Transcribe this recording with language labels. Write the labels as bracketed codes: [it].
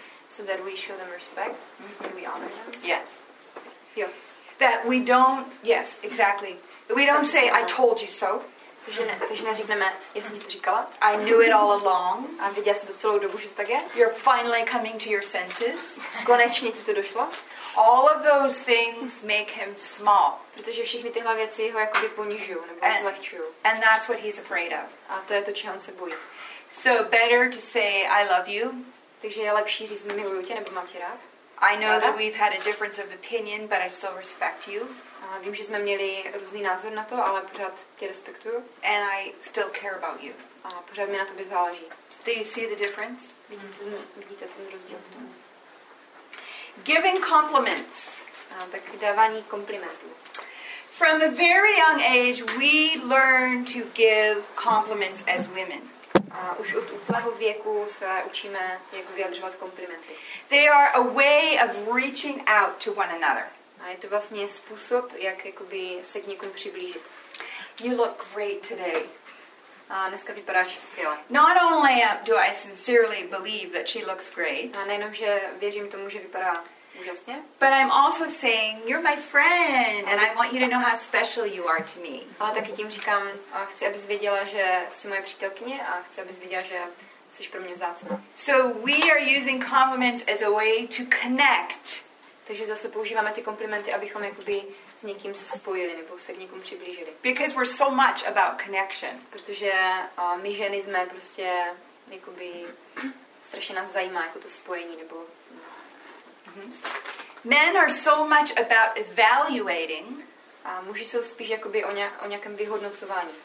[en] So that we show them respect. Mm-hmm. We honor them. Yes. Yeah. That we don't, yes, exactly. We don't say, I told you so. [cs] Takže neříkneme, já jsem to říkala. [en] I knew it all along. [cs] A viděla jsem to celou dobu, že to tak je. [en] You're finally coming to your senses. [cs] Konečně ti to došlo. [en] All of those things make him small. [cs] Protože všechny tyhle věci ho jakoby ponižují nebo zlehčují. [en] And that's what he's afraid of. [cs] A to je to, čeho on se bojí. [en] So better to say I love you. [cs] Takže je lepší říct miluju tě nebo mám tě rád. [en] I know that we've had a difference of opinion, but I still respect you. [cs] Vím, že jsme měli různý názor na to, ale pořád tě respektuju. [en] And I still care about you. [cs] A pořád mi na tobě záleží. [en] Do you see the difference? [cs] Vidíte ten rozdíl v tom. [en] Giving compliments. [cs] Tak dávání komplimentů. [en] From a very young age, we learn to give compliments as women. [cs] Už od útlého věku se učíme, jak vyjadřovat komplimenty. [en] They are a way of reaching out to one another. [cs] A je to vlastně způsob, jak jakoby se k někomu přiblížit. [en] You look great today. [cs] A dneska vypadáš skvěle. [en] Not only do I sincerely believe that she looks great. [cs] A nejenom, že věřím tomu, že vypadá úžasně. [en] But I'm also saying, you're my friend and I want you to know how special you are to me. [cs] A taky tím říkám, a chci, abys věděla, že jsi moje přítelkyně a chci, abys věděla, že jsi pro mě vzácná. [en] So we are using compliments as a way to connect. [cs] Takže zase používáme ty komplimenty, abychom jakoby s někým se spojili nebo se k někomu přiblížili. [en] Because we're so much about connection. [cs] Protože my ženy jsme prostě jakoby strašně nás zajímá jako to spojení nebo [en] Men are so much about evaluating. [cs] A muži jsou spíš jakoby o nějakém vyhodnocování.